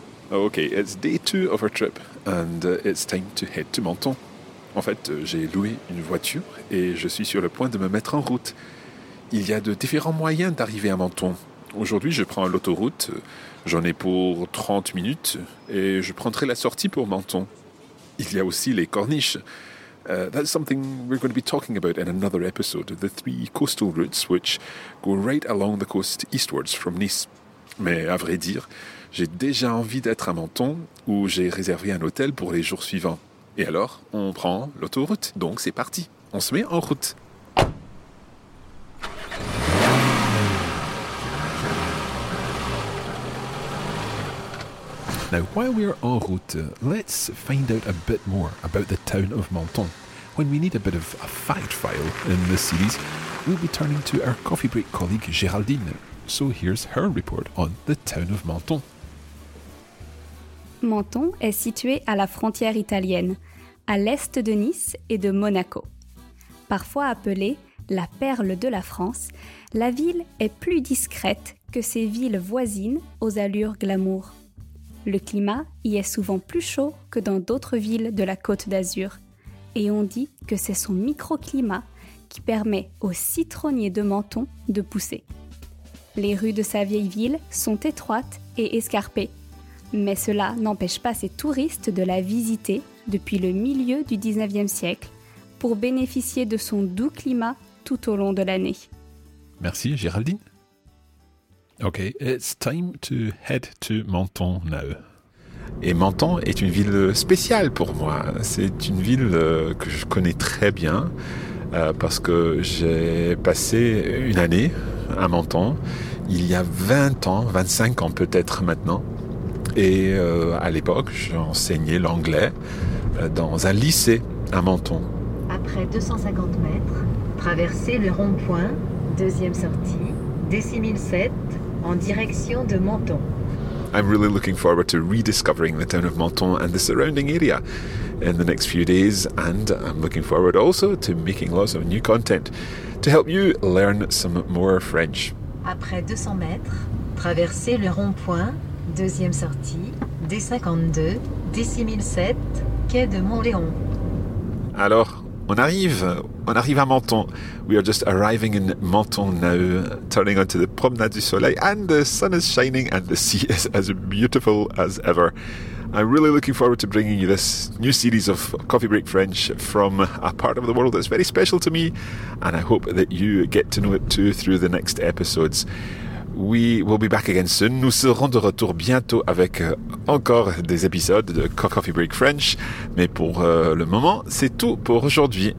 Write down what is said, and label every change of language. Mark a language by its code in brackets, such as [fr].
[en] Okay, it's day two of our trip, and it's time to head to Menton. [fr] En fait, j'ai loué une voiture et je suis sur le point de me mettre en route. Il y a de différents moyens d'arriver à Menton. Aujourd'hui, je prends l'autoroute, j'en ai pour 30 minutes, et je prendrai la sortie pour Menton. Il y a aussi les corniches. [en] That's something we're going to be talking about in another episode, the three coastal routes which go right along the coast eastwards from Nice. [fr] Mais à vrai dire, j'ai déjà envie d'être à Menton, où j'ai réservé un hôtel pour les jours suivants. Et alors, on prend l'autoroute. Donc c'est parti, on se met en route. [en] Now, while we're en route, let's find out a bit more about the town of Menton. When we need a bit of a fact file in this series, we'll be turning to our coffee break colleague Géraldine. So here's her report on the town of Menton. [fr] Menton est situé à la frontière italienne, à l'est de Nice et de Monaco. Parfois appelée la perle de la France, la ville est plus discrète que ses villes voisines aux allures glamour. Le climat y est souvent plus chaud que dans d'autres villes de la Côte d'Azur, et on dit que c'est son microclimat qui permet aux citronniers de Menton de pousser. Les rues de sa vieille ville sont étroites et escarpées, mais cela n'empêche pas ses touristes de la visiter depuis le milieu du 19e siècle pour bénéficier de son doux climat tout au long de l'année. Merci Géraldine. [en] Okay, it's time to head to Menton now. [fr] Et Menton est une ville spéciale pour moi. C'est une ville que je connais très bien parce que j'ai passé une année à Menton il y a 20 ans, 25 ans peut-être maintenant. Et à l'époque, j'enseignais l'anglais dans un lycée à Menton. Après 250 mètres, traversez le rond-point, deuxième sortie, D6007, en direction de Menton. [en] I'm really looking forward to rediscovering the town of Menton and the surrounding area in the next few days. And I'm looking forward also to making lots of new content to help you learn some more French. [fr] Après 200 mètres, traversez le rond-point, deuxième sortie, D52, D6007, quai de Montléon. Alors, on arrive à Menton. [en] We are just arriving in Menton now, turning onto the Promenade du Soleil, and the sun is shining and the sea is as beautiful as ever. I'm really looking forward to bringing you this new series of Coffee Break French from a part of the world that's very special to me, and I hope that you get to know it too through the next episodes. We will be back again soon. [fr] Nous serons de retour bientôt avec encore des épisodes de Coffee Break French. Mais pour le moment, c'est tout pour aujourd'hui.